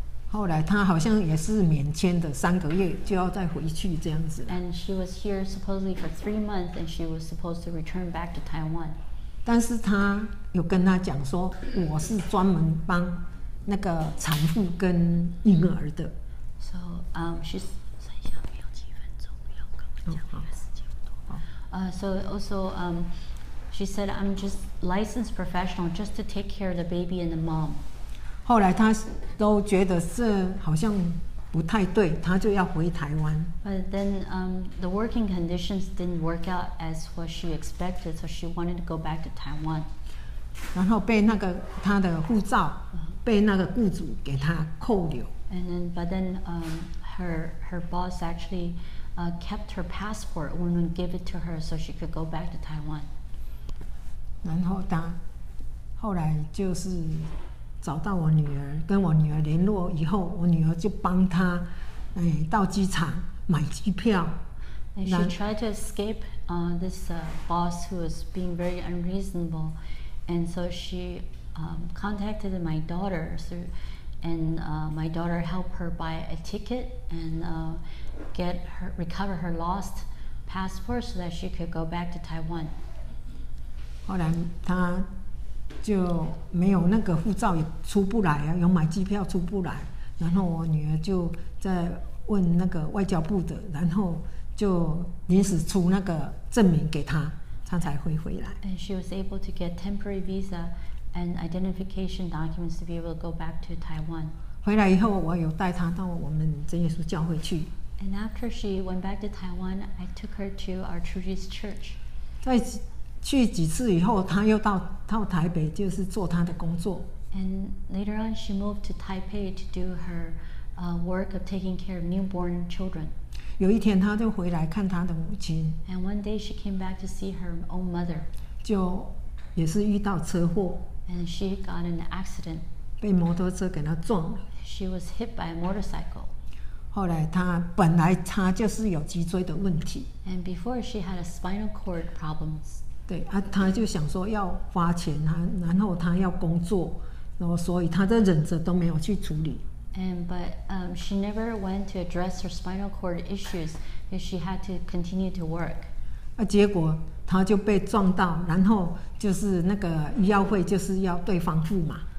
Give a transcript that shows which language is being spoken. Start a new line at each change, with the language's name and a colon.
Chinese: 后来她好像也是免签的，三个月就要再回去这样子。
English: And she was here supposedly for 3 months, and she was supposed to return back to Taiwan.
Chinese: 但是她有跟她讲说，我是专门帮那个产妇跟婴儿的。
English: So she's
Chinese: 剩下没有几分钟，没有跟我讲，还是几分钟。
English: She said, I'm just licensed professional just to take care of the baby and the mom.
Chinese: 后来她都觉得这好像不太对，她就要回台湾。
English: But then the working conditions didn't work out as what she expected, so she wanted to go back to Taiwan.
Chinese: 然后被那个她的护照被那个雇主给她扣留。
English: And then, but then her boss actually kept her passport, wouldn't give it to her so she could go back to Taiwan.
Chinese: 然后他后来就是找到我女儿，跟我女儿联络以后，我女儿就帮他到机场买机票。
English: And she tried to escape this boss who was being very unreasonable, and so she contacted my daughter, my daughter helped her buy a ticket and recover her lost passport so that she could go back to Taiwan.
Chinese: 后来他就没有那个护照也出不来啊，有买机票出不来。然后我女儿就在问那个外交部的，然后就临时出那个证明给他，他才会回来。
English: And she was able to get temporary visa and identification documents to be able to go back to Taiwan.
Chinese: 回来以后，我有带她到我们真耶稣教会去。
English: And after she went back to Taiwan, I took her to our True Jesus Church.
Chinese: 去几次以后，他又到台北，就是做他的工作。
English: And later on, she moved to Taipei to do her work of taking care of newborn children.
Chinese: 有一天，他就回来看他的母亲。
English: And one day, she came back to see her own mother.
Chinese: 就也是遇到车祸。
English: And she got an accident.
Chinese: 被摩托车给他撞了。
English: She was hit by a motorcycle.
Chinese: 后来他本来他就是有脊椎的问题。
English: And before, she had a spinal cord problems.
Chinese: 对啊，他就想说要花钱，然后他要工作，然后所以他就忍着都没有去处理。
English: But she never went to address her spinal cord issues, because she had to continue to work.
Chinese: 啊，结果他就被撞到，然后就是那个医药费就是要对方付嘛。